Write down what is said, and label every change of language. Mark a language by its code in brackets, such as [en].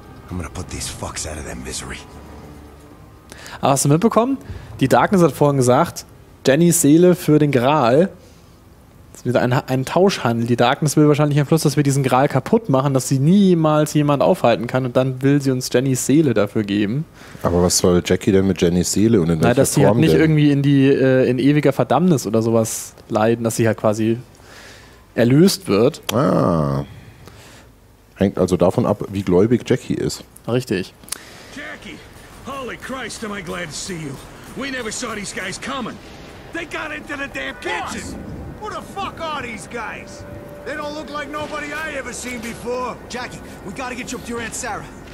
[en] I'm gonna put these fucks out of their misery. [de] Aber hast du mitbekommen? Die Darkness hat vorhin gesagt, Jennys Seele für den Gral. Das ist wieder ein Tauschhandel. Die Darkness will wahrscheinlich am Schluss, dass wir diesen Gral kaputt machen, dass sie niemals jemand aufhalten kann und dann will sie uns Jennys Seele dafür geben. Aber was soll Jackie denn mit Jennys Seele und in welcher Form denn? Nein, dass sie nicht irgendwie in ewiger Verdammnis oder sowas leiden, dass sie halt quasi erlöst wird. Ah. Hängt also davon ab, wie gläubig Jackie ist. Richtig. Jackie! [en] Holy Christ, am I glad to see you. We never saw these guys coming. They got into the damn kitchen. Who the fuck are these guys? They don't look like nobody I ever seen before. Jackie, we gotta get you up to your Aunt Sarah.